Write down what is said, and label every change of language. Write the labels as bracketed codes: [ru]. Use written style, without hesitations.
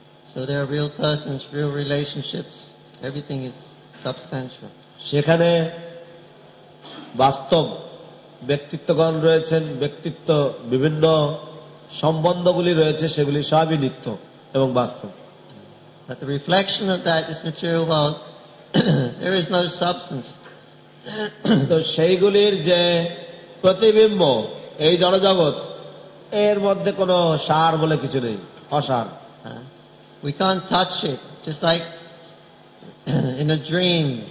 [en] So there are real persons, real relationships. Everything is substantial. [bn] সেখানে বাস্তব ব্যক্তিত্বগণ রয়েছেন, ব্যক্তিত্ব বিভিন্ন সম্বন্ধগুলি রয়েছে, সেগুলি সবই নিত্য এবং বাস্তব। [en] But the reflection of that is material world. There is no substance. [bn] তো সেইগুলির যে প্রতিবিম্ব এই জড়জগৎ, এর মধ্যে কোনো সার বলে কিছু নেই, অসার। [en] We can't touch it, just like in a dream.